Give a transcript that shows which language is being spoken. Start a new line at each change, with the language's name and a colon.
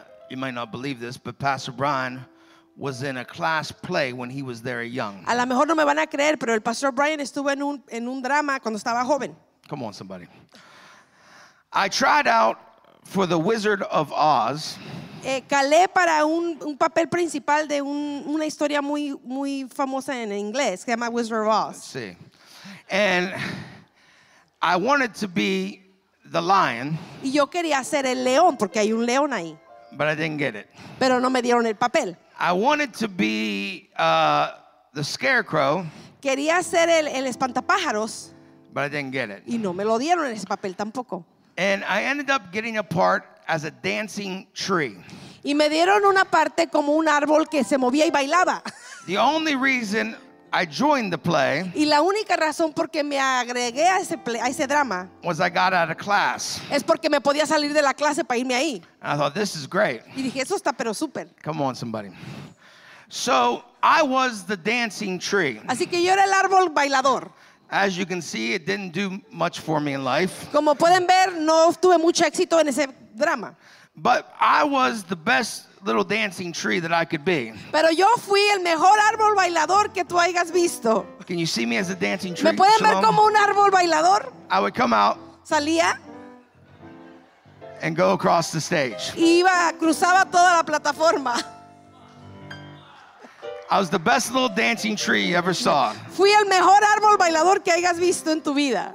English: You might not believe this, but Pastor Brian was in a class play when he was very young.
Spanish: A lo mejor no me van a creer, pero el Pastor Brian estuvo en un drama cuando estaba joven.
English: Come on, somebody. I tried out for the Wizard of Oz.
Spanish: Calé para un papel principal de una historia muy muy famosa en inglés que se llama Wizard of Oz.
English: Sí. And I wanted to be the lion.
Spanish: Y yo quería ser el león porque hay un león ahí.
English: But I didn't get it.
Spanish: Pero no me dieron el papel.
English: I wanted to be the scarecrow.
Spanish: Quería ser el espantapájaros.
English: But I didn't get it.
Spanish: Y no me lo dieron ese papel tampoco.
English: And I ended up getting a part as a dancing tree.
Spanish: Y me dieron una parte como un árbol que se movía y bailaba.
English: The only reason I joined the play.
Spanish: Y la única razón por qué me agregué a ese drama.
English: Was I got out of class.
Spanish: Es porque me podía salir de la clase para irme ahí.
English: And I thought this is great.
Spanish: Y dije, eso está pero súper.
English: Come on, somebody. So I was the dancing tree.
Spanish: Así que yo era el árbol bailador.
English: As you can see, it didn't do much for me in life.
Spanish: Como pueden ver, no tuve mucho éxito en ese drama.
English: But I was the best little dancing tree that I could be.
Spanish: Pero yo fui el mejor árbol bailador que tú hayas visto.
English: Can you see me as a dancing tree?
Spanish: ¿Me pueden ver como un árbol bailador?
English: I would come out.
Spanish: Salía.
English: And go across the stage.
Spanish: Iba, cruzaba toda la plataforma.
English: I was the best little dancing tree you ever saw.
Spanish: Fui el mejor árbol bailador que hayas visto en tu vida.